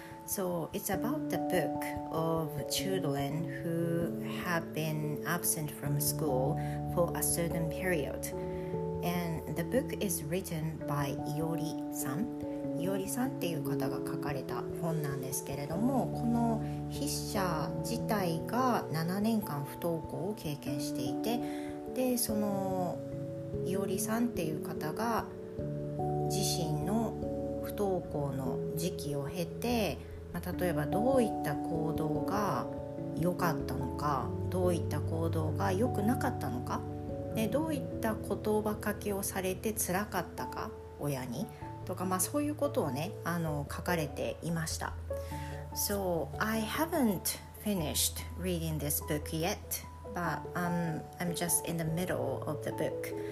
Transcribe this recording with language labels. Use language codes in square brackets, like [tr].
[en] So it's about the book of children who have been absent from school for a certain period. And the book is written by Iori-san. [ja] Iori-san っていう方が書かれた本なんですけれども、この筆者自体が7年間不登校を経験していて、で、その Iori-san っていう方が自身の不登校の時期を経て、まあ、例えばどういった行動が良かったのか、どういった行動が良くなかったのか、でどういった言葉かけをされて辛かったか、親にとか、まあ、そういうことをね、書かれていました。 [en] So I haven't finished reading this book yet, but I'm just in the middle of the book.